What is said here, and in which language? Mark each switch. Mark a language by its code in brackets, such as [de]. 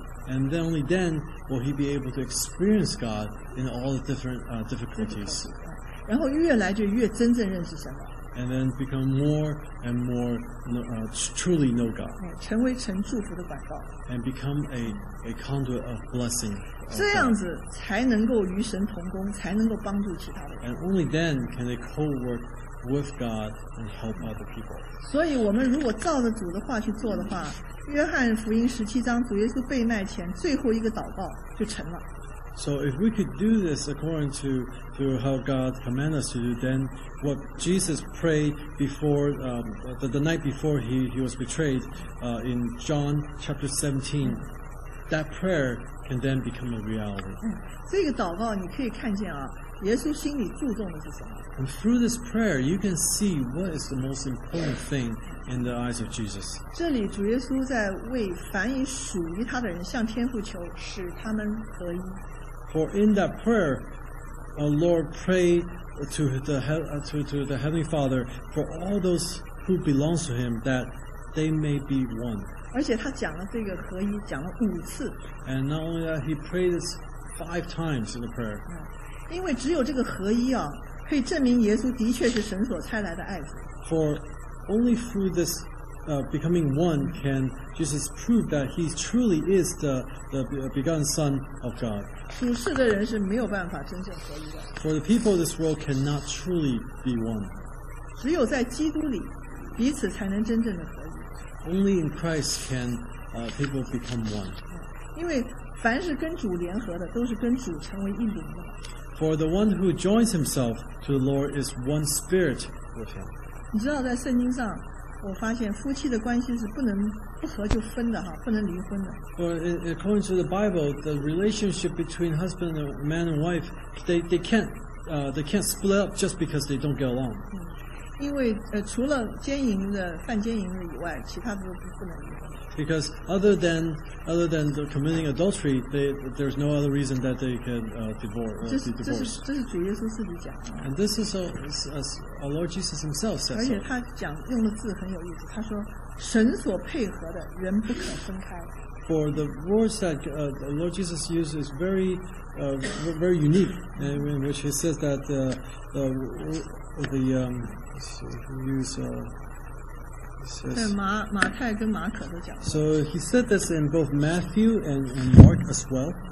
[en] And then only then will he be able to experience God in all the different difficulties. [zh] 然后越来就越真正认识神了。 [en] And then become more and more truly know God. [zh] 成为神祝福的管道。 [en] And become a conduit of blessing. [zh] 这样子才能够与神同工，才能够帮助其他的人。 [en] And only then can they co-work with God and help other people. [zh] 所以我们如果照着主的话去做的话，约翰福音十七章主耶稣被卖前最后一个祷告就成了。 [en] So if we could do this according to how God commanded us to do, then what Jesus prayed before, the night before he was betrayed, in John chapter 17, that prayer can then become a reality. [zh] 这个祷告你可以看见啊，耶稣心里注重的是什么。 [en] And through this prayer, you can see what is the most important thing in the eyes of Jesus. [zh] 这里主耶稣在为凡以属于他的人向天父求，使他们合一。 [en] For in that prayer, our Lord prayed to the Heavenly Father for all those who belong to Him that they may be one. [zh] 而且他讲了这个合一，讲了五次。 [en] And not only that, He prayed this five times in the prayer. [zh] 因为只有这个合一啊，可以证明耶稣的确是神所差来的爱子。 [en] For only through this becoming one can Jesus prove that He truly is the begotten Son of God. [zh] 属世的人是没有办法真正合一的。 [en] For the people of this world cannot truly be one. [zh] 只有在基督里，彼此才能真正的合一。 [en] Only in Christ can people become one. [zh] 因为凡是跟主联合的，都是跟主成为一灵的。 [en] For the one who joins himself to the Lord is one spirit with him. [zh] 你知道在圣经上我发现夫妻的关系是不能不合就分的哈，不能离婚的。 [en] For according to the Bible, the relationship between husband and man and wife, they can't split up just because they don't get along. [zh] 因为除了奸淫的犯奸淫的以外，其他的都不能离婚。 [en] Because other than the committing adultery, there's no other reason that they can divorce. [zh] 这是主耶稣自己讲的。 [en] And this is as our Lord Jesus Himself says. [zh] 而且他讲用的字很有意思，他说神所配合的人不可分开。 [en] For the words that the Lord Jesus used is very, very unique, in which He says that So he said this in both Matthew and Mark as well.